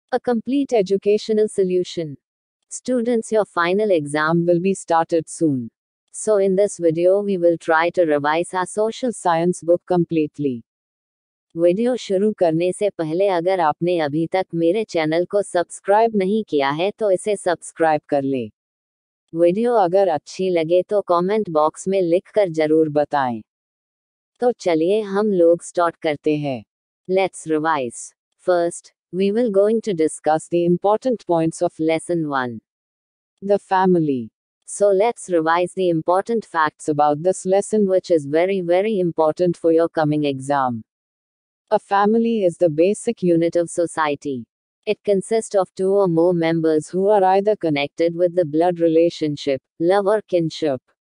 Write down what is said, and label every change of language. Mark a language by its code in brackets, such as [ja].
[en] A complete educational solution. Students, your final exam will be started soon. So in this video, we will try to revise our social science book completely. [hi] Video शुरू करने से पहले, अगर आपने अभी तक मेरे चैनल को सब्सक्राइब नहीं किया है, तो इसे सब्सक्राइब कर ले. वीडियो अगर अच्छी लगे तो कमेंट बॉक्स में लिख कर जरूर बताये. तो चलिए हम लोग start करते है. [en] Let's revise. First, we will going to discuss the important points of lesson 1. The family. So let's revise the important facts about this lesson, which is very very important for your coming exam. A family is the basic unit of society. It consists of two or more members who are either connected with the blood relationship, love or kinship.